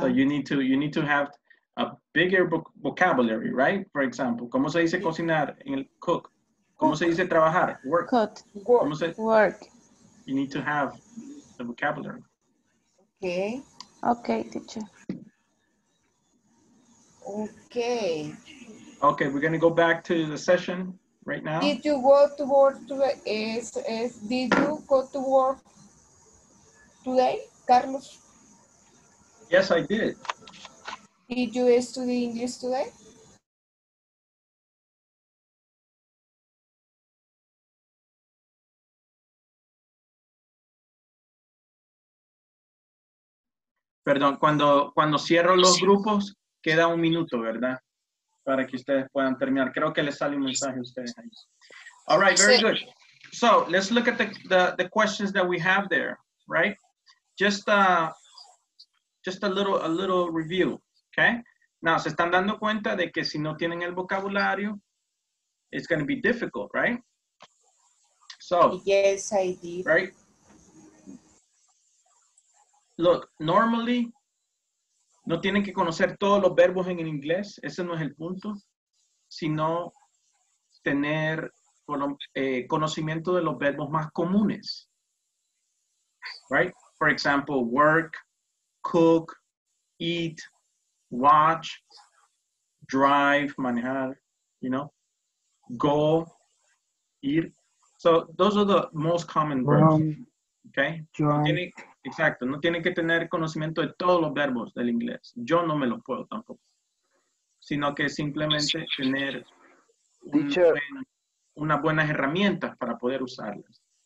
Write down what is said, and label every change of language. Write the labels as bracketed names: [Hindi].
[English] So you need to have a bigger vocabulary, right? [Spanish] For example, ¿cómo se dice cocinar en el cook? ¿Cómo se dice trabajar? Work. [English] Cook. [Spanish] Work. ¿Cómo se... [English] Work. You need to have the vocabulary. Okay. Okay, teacher. Okay. Okay, we're going to go back to the session right now. Did you go to work today, Carlos? Yes, I did. Did you study English today? [Spanish] Perdón, cuando cierro los grupos, queda un minuto, ¿verdad? Para que ustedes puedan terminar. Creo que les sale un mensaje a ustedes ahí. [English] All right, very good. So, let's look at the questions that we have there, right? Just a little review, okay? Now, [Spanish] se están dando cuenta de que si no tienen el vocabulario, [English] it's going to be difficult, right? So. Yes, I did. Right? Look, normally, [Spanish] no tienen que conocer todos los verbos en inglés. Ese no es el punto. Sino tener conocimiento de los verbos más comunes. [English] Right? For example, work, cook, eat, watch, drive, manejar, you know, go, ir. So those are the most common verbs. Okay? Exacto. [Spanish] No tienen que tener conocimiento de todos los verbos del inglés. Yo no me los puedo tampoco. Sino que simplemente tener unas buenas herramientas para poder usarlas.